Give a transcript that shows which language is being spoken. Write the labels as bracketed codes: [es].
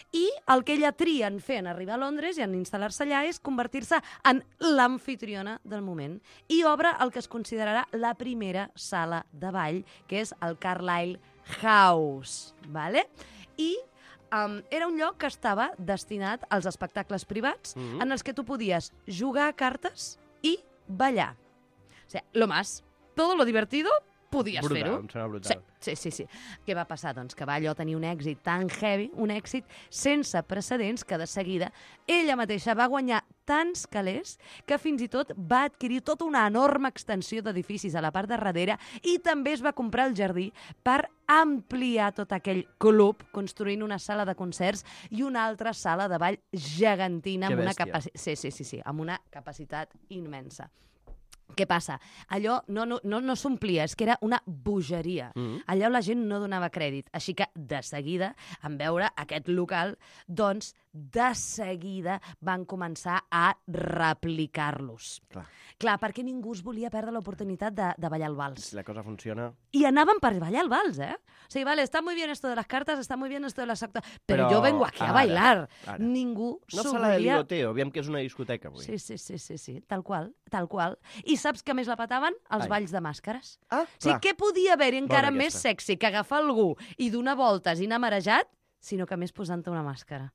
[ca] I el que ella tria en fer en arribar a Londres i en instal·lar-se allà és convertir-se en l'anfitriona del moment i obre el que es considerarà la primera sala de ball, que és el Carlisle House, vale? I era un lloc que estava destinat als espectacles privats, en els que tu podies jugar a cartes i ballar. O sigui, [es] lo más, todo lo divertido, [ca] podies brutal, fer-ho. Em sembla brutal. Sí. Què va passar? Doncs que va allò tenir un èxit tan heavy, un èxit sense precedents, que de seguida ella mateixa va guanyar tants calés que fins i tot va adquirir tota una enorme extensió d'edificis a la part de darrere i també es va comprar el jardí per ampliar tot aquell club, construint una sala de concerts i una altra sala de ball gegantina. Que amb una sí, amb una capacitat immensa. Què passa? Allò no s'omplia, és que era una bogeria. Allò la gent no donava crèdit. Així que, de seguida, en veure aquest local, doncs, de seguida van començar a replicar-los. Clar, perquè ningú es volia perdre l'oportunitat de ballar el vals. Si la cosa funciona... I anaven per ballar el vals, eh? O sigui, [es] vale, está muy bien esto de las cartas, está muy bien esto de las actas, [ca] però jo [es] vengo aquí a bailar. [ca] Ara. Ningú no s'ho volia... No se la deligoteo, aviam que és una discoteca, avui. Sí, tal qual. I saps que més la petaven? Els balls de màscares. Ah, clar. O sigui, què podia haver-hi encara més sexy que agafar algú i donar voltes i anar marejat, sinó que més posant-te una màscara.